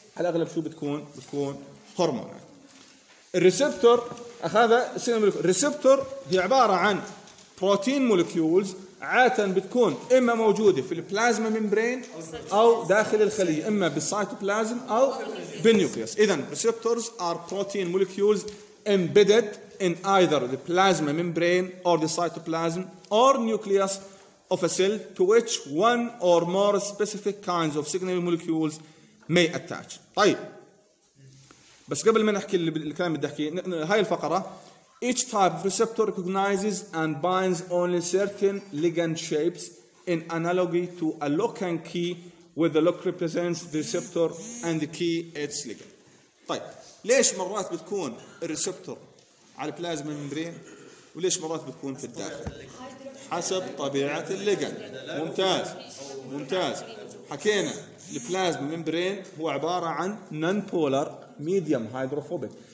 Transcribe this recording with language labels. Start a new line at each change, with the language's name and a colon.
Arabic: على الأغلب شو بتكون؟ بتكون هرمونات. الريسبتور هذا الريسبتور هي عبارة عن بروتين مولكيولز عادة بتكون إما موجودة في البلازما ممبرين أو داخل الخلية, إما بالسيتوبلازم أو بالنيوكليوس.
English: إذن receptors are protein molecules embedded in either the plasma membrane or the cytoplasm or nucleus of a cell to which one or more specific kinds of signaling molecules may attach.
Arabic: طيب بس قبل ما نحكي الكلام بدي أحكي هاي الفقرة.
English: Each type of receptor recognizes and binds only certain ligand shapes in analogy to a lock and key where the lock represents the receptor and the key its ligand.
Arabic: طيب ليش مرات بتكون الريسبتور على البلازما ممبرين وليش مرات بتكون في الداخل؟ حسب طبيعة الليجند. ممتاز ممتاز. حكينا البلازما ممبرين هو عبارة عن نون بولر ميديوم هيدروفوبيك.